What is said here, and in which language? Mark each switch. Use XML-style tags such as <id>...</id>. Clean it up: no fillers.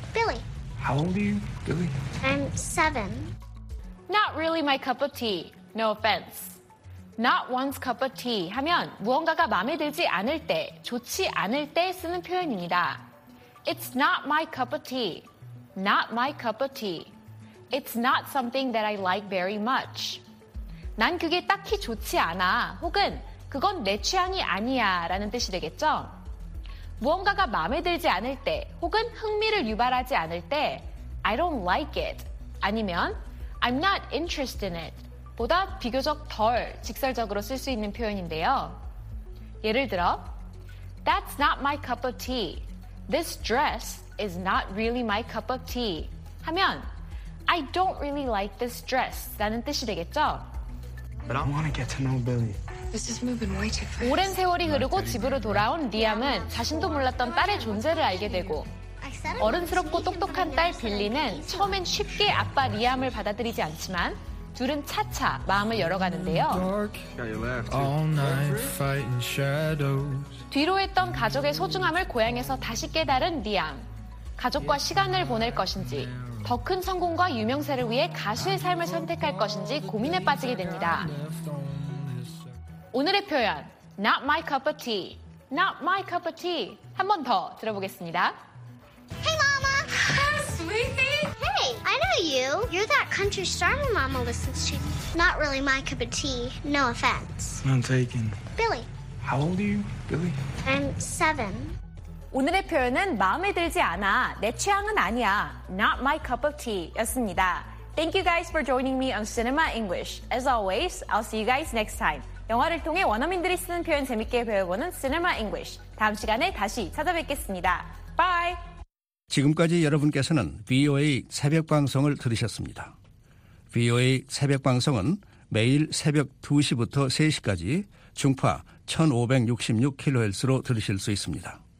<en>Billy. How old are you, Billy? I'm 7. Not really my cup of tea. No offense. Not one's cup of tea</en> <ko>하면 무언가가 마음에 들지 않을 때, 좋지 않을 때 쓰는 표현입니다.</ko> <en>It's not my cup of tea. Not my cup of tea. It's not something that I like very much.</en> <ko>난 그게 딱히 좋지 않아. 혹은 그건 내 취향이 아니야 라는 뜻이 되겠죠? 무언가가 마음에 들지 않을 때 혹은 흥미를 유발하지 않을 때</ko> <en>I don't like it</en> <ko>아니면</ko> <en>I'm not interested in it</en> <ko>보다 비교적 덜 직설적으로 쓸 수 있는 표현인데요. 예를 들어,</ko> <en>That's not my cup of tea. This dress is not really my cup of tea.</en> <ko>하면,</ko> <en>I don't really like this dress.</en> <ko>라는 뜻이 되겠죠?</ko> <en>But I want to get to know Billy. This is moving way too fast.</en> <ko>오랜 세월이 흐르고 집으로 돌아온 리암은 자신도 몰랐던 딸의 존재를 알게 되고, 어른스럽고 똑똑한 딸 빌리는 처음엔 쉽게 아빠 리암을 받아들이지 않지만, 둘은 차차 마음을 열어가는데요. 뒤로 했던 가족의 소중함을 고향에서 다시 깨달은 리암. 가족과 시간을 보낼 것인지, 더 큰 성공과 유명세를 위해 가수의 삶을 선택할 것인지 고민에 빠지게 됩니다. 오늘의 표현,</ko> <en>Not my cup of tea. Not my cup of tea.</en> <ko>한 번 더 들어보겠습니다.</ko> <en>Hey, Mama! Hi, sweetie! I know you. You're that country star my mama listens to. Not really my cup of tea. No offense. None taken. Billy. How old are you, Billy? I'm 7.</en> <ko>오늘의 표현은 마음에 들지 않아. 내 취향은 아니야.</ko> <en>Not my cup of tea</en> <ko>였습니다.</ko> <en>Thank you guys for joining me on Cinema English. As always, I'll see you guys next time.</en> <ko>영화를 통해 원어민들이 쓰는 표현 재밌게 배워보는 Cinema English. 다음 시간에 다시 찾아뵙겠습니다.</ko> <en>Bye!</en> <ko>지금까지 여러분께서는 VOA 새벽 방송을 들으셨습니다. VOA 새벽 방송은 매일 새벽 2시부터 3시까지 중파 1566kHz로 들으실 수 있습니다.</ko>